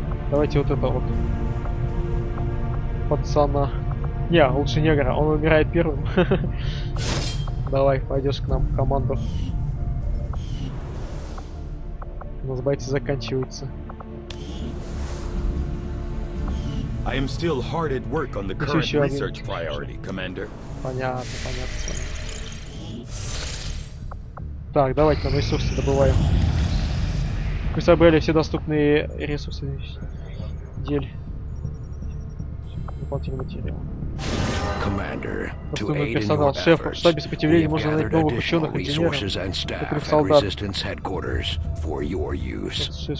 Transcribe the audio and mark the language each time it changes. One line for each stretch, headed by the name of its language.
Russian: Давайте вот это вот. Пацана. Не, лучше негра, он выбирает первым. Давай, пойдешь к нам в команду. У нас байки заканчиваются.
English: I am still hard at work on the current research priority, Commander.
Russian: Понятно, понятно. Так, давайте нам ресурсы добываем. Мы собрали все доступные ресурсы. Дополнительный материал.
English: Commander,
Russian: персонал, шеф, в штабе сопротивления можно найти новых ученых и инженеров, солдат.
English: Headquarters for your use.